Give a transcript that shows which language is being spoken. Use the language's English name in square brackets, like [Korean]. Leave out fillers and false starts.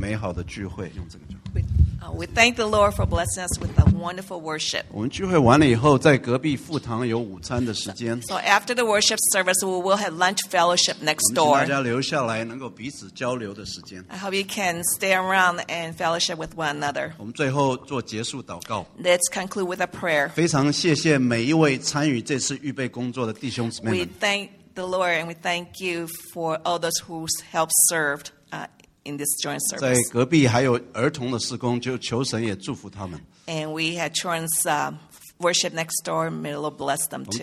[English] We thank the Lord for blessing us with a wonderful worship. [Chinese] 我们聚会完了以后, 在隔壁副堂有午餐的时间, [English] so after the worship service, we will have lunch fellowship next door. [Chinese] 我们请大家留下来, [English] I hope you can stay around and fellowship with one another. Let's conclude with a prayer. We thank the Lord and we thank you for all those who helped served. In this joint service. [Chinese] 在隔壁还有儿童的事工, 就求神也祝福他们。 [English] And we had children's worship next door, may the Lord bless them too.